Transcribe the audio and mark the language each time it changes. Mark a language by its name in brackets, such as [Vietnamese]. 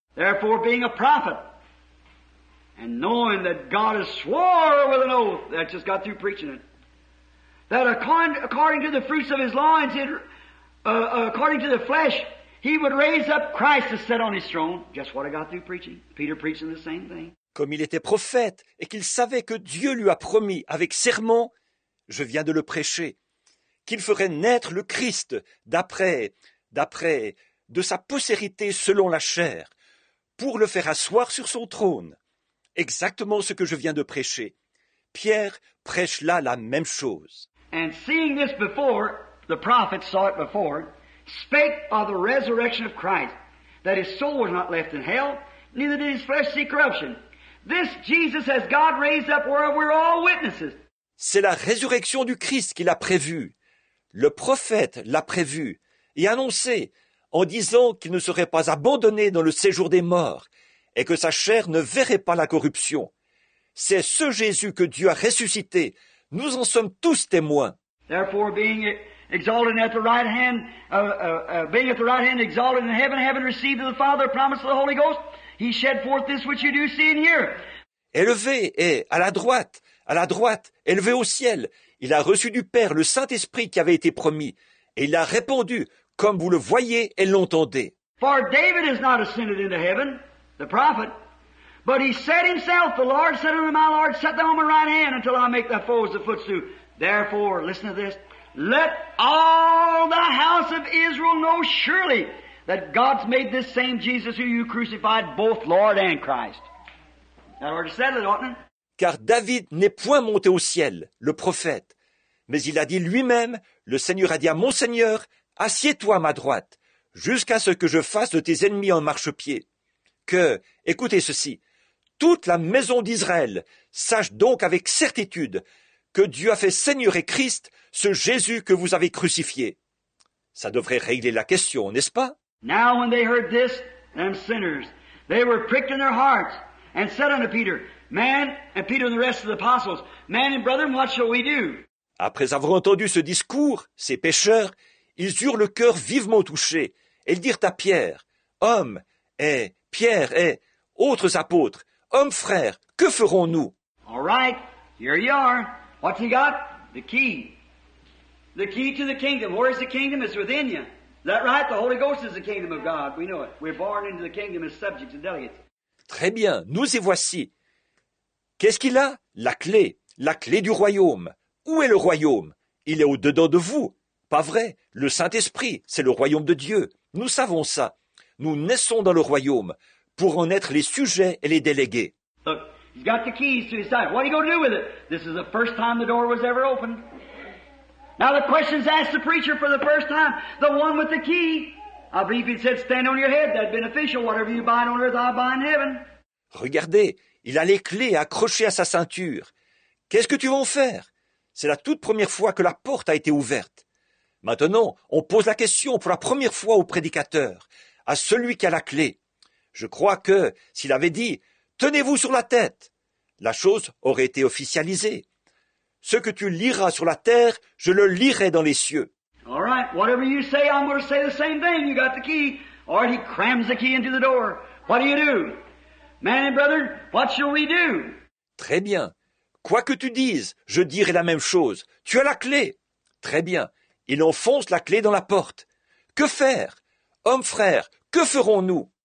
[English] Therefore, being a prophet, and knowing that God has swore with an oath that just got through preaching it, that according to the fruits of his loins, according to the flesh, he would raise up Christ to sit on his throne. Just what I got through preaching. Peter preaching the same thing. [French] Comme il était prophète et qu'il savait que Dieu lui a promis avec serment, je viens de le prêcher, qu'il ferait naître le Christ d'après de sa postérité selon la chair, pour le faire asseoir sur son trône. Exactement ce que je viens de prêcher. Pierre prêche là la même chose. [English] And seeing this before, the prophet saw it before, spake of the resurrection of Christ, that his soul was not left in hell, neither did his flesh see corruption. This Jesus has God raised up, whereof we're all witnesses. [French] C'est la résurrection du Christ qu'il a prévue. Le prophète l'a prévue et annoncé en disant qu'il ne serait pas abandonné dans le séjour des morts et que sa chair ne verrait pas la corruption. C'est ce Jésus que Dieu a ressuscité. Nous en sommes tous témoins. [English] Therefore, being exalted at the right hand, being at the right hand exalted in heaven, having received of the Father the promise of the Holy Ghost, he shed forth this which you do see and hear. [French] Élevé et à la droite, élevé au ciel, il a reçu du Père le Saint-Esprit qui avait été promis, et il a répondu, comme vous le voyez et l'entendez. [English] For David has not ascended into heaven, the prophet, but he said himself, the Lord said unto my Lord, set thou on my right hand until I make thy foes a footstool. Therefore, listen to this, let all the house of Israel know surely that God's made this same Jesus who you crucified both Lord and Christ. That already said it, oughtn't it? [French] Car David n'est point monté au ciel, le prophète, mais il a dit lui-même, le Seigneur a dit à mon Seigneur, assieds-toi à ma droite, jusqu'à ce que je fasse de tes ennemis un marchepied. Que, écoutez ceci, toute la maison d'Israël sache donc avec certitude que Dieu a fait Seigneur et Christ ce Jésus que vous avez crucifié. Ça devrait régler la question, n'est-ce pas? [English] Now when they heard this, them sinners, they were pricked in their hearts and said unto Peter, man, and Peter and the rest of the apostles, man and brethren, what shall we do? [French] Après avoir entendu ce discours, ces pécheurs, ils eurent le cœur vivement touché, et ils dirent à Pierre, homme, et Pierre, et autres apôtres, hommes frères, que ferons-nous? [English] All right, here you are. What's he got? The key. The key to the kingdom. Where is the kingdom? It's within you. Is that right? The Holy Ghost is the kingdom of God. We know it. We're born into the kingdom as subjects and delegates. [French] Très bien, nous y voici. Qu'est-ce qu'il a? La clé du royaume. Où est le royaume? Il est au-dedans de vous. Pas vrai? Le Saint-Esprit, c'est le royaume de Dieu. Nous savons ça. Nous naissons dans le royaume pour en être les sujets et les délégués. [English] Look, he's got the keys to his side. What are you going to do with it? This is the first time the door was ever opened. Now the question's asked the preacher for the first time, the one with the key. I believe he said, stand on your head. That'd been official. Whatever you bind on earth, I'll bind in heaven. [French] Regardez. Il a les clés accrochées à sa ceinture. Qu'est-ce que tu vas en faire? C'est la toute première fois que la porte a été ouverte. Maintenant, on pose la question pour la première fois au prédicateur, à celui qui a la clé. Je crois que, s'il avait dit « Tenez-vous sur la tête », la chose aurait été officialisée. Ce que tu liras sur la terre, je le lirai dans les cieux. [English] All right, whatever you say, I'm going to say the same thing. You got the key. Or he crams the key into the door. What do you do? Man and brother, what shall we do? [French] Très bien. Quoi que tu dises, je dirai la même chose. Tu as la clé. Très bien. Il enfonce la clé dans la porte. Que faire? Homme frère, que ferons-nous?